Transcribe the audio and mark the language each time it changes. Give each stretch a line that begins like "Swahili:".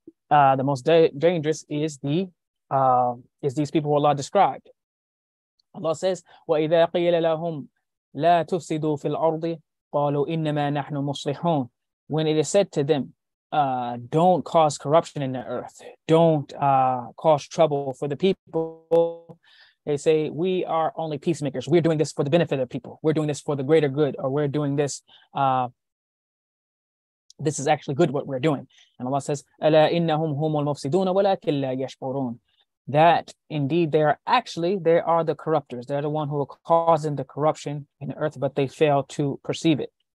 English: The most dangerous is these people who Allah described. Allah says,
Arabic: وَإِذَا قِيلَ لَهُمْ لَا تُفْسِدُوا فِي الْأَرْضِ قَالُوا إِنَّمَا نَحْنُ مُصْلِحُونَ.
English: When it is said to them, don't cause corruption in the earth, don't cause trouble for the people, they say, we are only peacemakers. We're doing this for the benefit of people. We're doing this for the greater good, or we're doing this this is actually good what we're doing. And Allah says,
Arabic: أَلَا إِنَّهُمْ هُمُ الْمُفْسِدُونَ وَلَكِنْ لَا يَشْعُرُونَ.
English: That indeed they are the corruptors. They're the one who are causing the corruption in the earth, but they fail to perceive it.